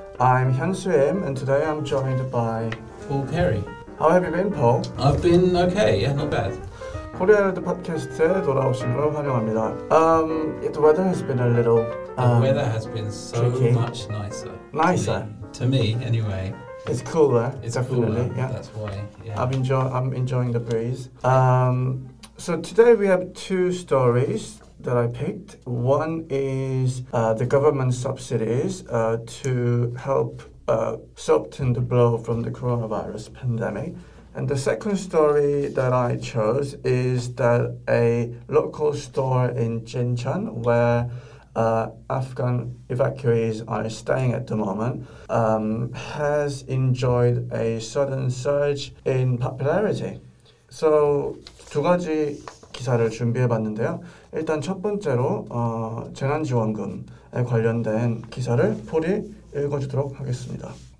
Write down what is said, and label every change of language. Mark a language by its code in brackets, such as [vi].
[en] I'm Hyun Soo Im, and today I'm joined by Paul Perry. How have you been, Paul? I've been okay, yeah, not bad. [ko] 코리아헬로 팟캐스트에 돌아오신 걸 환영합니다. [en] The weather has been a little The weather has been so tricky. Much nicer. Nicer? To me, anyway. It's cooler, it's definitely. Cooler, yeah. That's why, yeah. I'm enjoying the breeze. So today we have two stories that I picked. One is the government subsidies to help soften the blow from the coronavirus pandemic. And the second story that I chose is that a local store in Jincheon, where Afghan evacuees are staying at the moment, has enjoyed a sudden surge in popularity. [ko] So, 두 가지 기사를 준비해봤는데요. 일단 첫 번째로 재난지원금에 관련된 기사를 폴이 읽어주도록 하겠습니다.